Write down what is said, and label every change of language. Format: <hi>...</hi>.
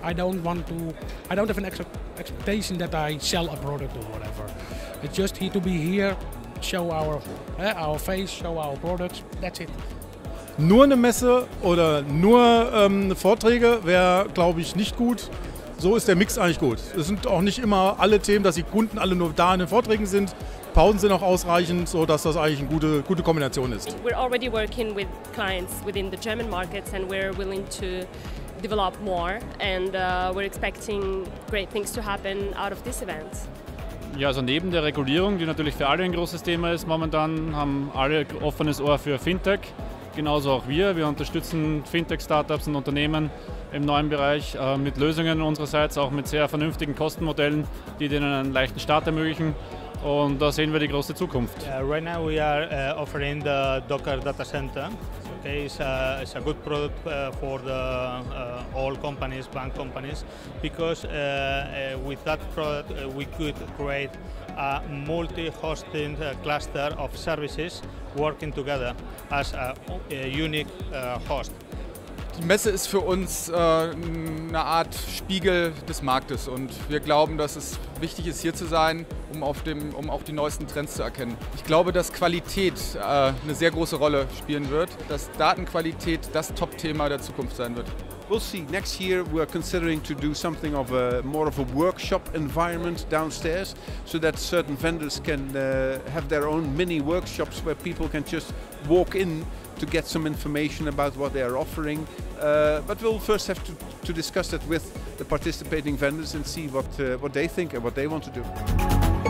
<en>I don't have an expectation that I sell a product or whatever. It's just here to be here, show our face, show our products. That's it.</en> <de>Nur eine Messe oder nur Vorträge wäre, glaube ich, nicht gut. So ist der Mix eigentlich gut. Es sind auch nicht immer alle Themen, dass die Kunden alle nur da in den Vorträgen sind. Pausen sind auch ausreichend, sodass das eigentlich eine gute Kombination ist.</de> <en>We're already working with clients within the German markets and we're willing to develop more. And we're expecting great things to happen out of this event.</en> <de>Ja, also neben der Regulierung, die natürlich für alle ein großes Thema ist momentan, haben alle offenes Ohr für Fintech. Genauso auch wir. Wir unterstützen Fintech-Startups und Unternehmen im neuen Bereich mit Lösungen unsererseits, auch mit sehr vernünftigen Kostenmodellen, die denen einen leichten Start ermöglichen. Und da sehen wir die große Zukunft.</de> <en>Right now we are offering the Docker Data Center. Okay, it's a good product for the all companies, bank companies, because with that product we could create a multi-hosting cluster of services working together as a unique host.</en> <de>Die Messe ist für uns eine Art Spiegel des Marktes und wir glauben, dass es wichtig ist, hier zu sein, um auch die neuesten Trends zu erkennen. Ich glaube, dass Qualität eine sehr große Rolle spielen wird, dass Datenqualität das Top-Thema der Zukunft sein wird.</de> <en>We'll see. Next year we are considering to do something of a more of a workshop environment downstairs, so that certain vendors can have their own mini workshops where people can just walk in to get some information about what they are offering. But we'll first have to discuss it with the participating vendors and see what they think and what they want to do.</en>